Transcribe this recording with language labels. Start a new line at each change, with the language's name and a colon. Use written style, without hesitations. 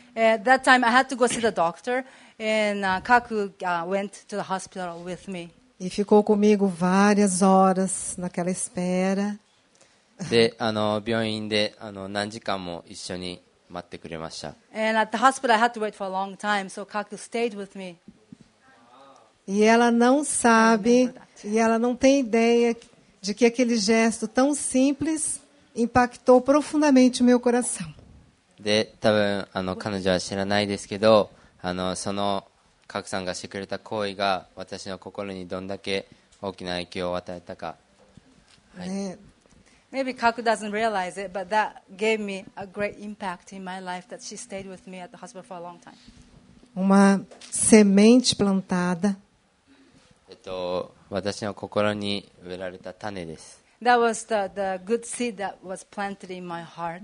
English: At that time, I had to go see the doctor, and Kaku went to the hospital with me.
Portuguese: E ficou comigo várias horas naquela espera.
Japanese: で、病院で、何時間も一緒に待ってくれました。
English: And at the hospital, I had to wait for a long time, so Kaku stayed with me.
Portuguese: E ela não sabe, e ela não tem ideia de que aquele gesto tão simples impactou profundamente o meu coração.
Japanese: で、多分彼女は知らないですけど、そのカクさんがしてくれた行為が私の心にどんだけ大きな影響を与えたか。はい。ね、
English: Maybe Kaku doesn't realize it, but that gave me a great impact in my life that she stayed with me at the hospital for a long time.
Portuguese: Uma semente plantada.
Japanese: 私の心に植えられた種です。
English: That was the good seed that was planted in my heart.